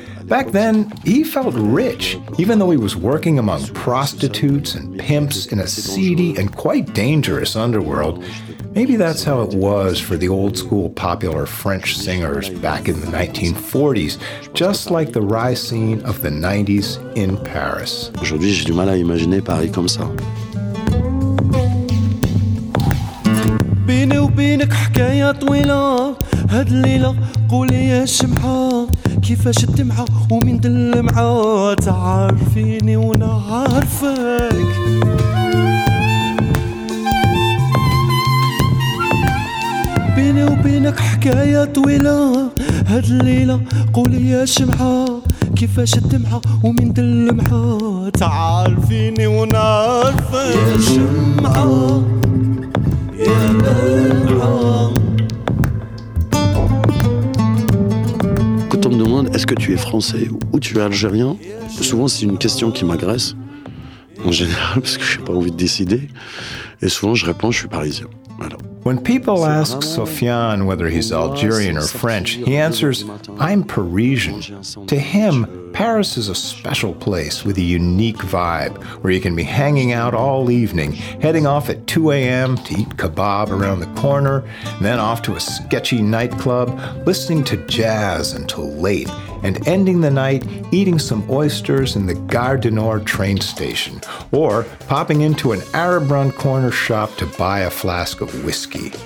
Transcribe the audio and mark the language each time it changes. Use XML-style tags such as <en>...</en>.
<en>Back then, he felt rich, even though he was working among prostitutes and pimps in a seedy and quite dangerous underworld. Maybe that's how it was for the old school popular French singers back in the 1940s, just like the Rai scene of the 90s in Paris.</en> <fr>Aujourd'hui, j'ai du mal à imaginer Paris comme ça.</fr> <ar>بيني وبينك حكاية طويلة هاد الليلة قولي يا شمعة كيفاش الدمعة ومين دلمعة تعرفيني وانا عارفك بيني وبينك حكاية طويلة هاد الليلة قولي يا شمعة كيفاش الدمعة ومين دلمعة تعرفيني وانا عارفك يا شمعة يا دلمعة</ar> <fr>On me demande est-ce que tu es français ou tu es algérien. Souvent c'est une question qui m'agresse en général parce que j'ai pas envie de décider et souvent je réponds je suis parisien. Voilà.</fr> <en>When people ask Sofiane whether he's Algerian or French, he answers, I'm Parisian. To him, Paris is a special place with a unique vibe, where you can be hanging out all evening, heading off at 2 a.m. to eat kebab around the corner, then off to a sketchy nightclub, listening to jazz until late, and ending the night eating some oysters in the Gare du Nord train station, or popping into an Arab-run corner shop to buy a flask of whiskey.</en>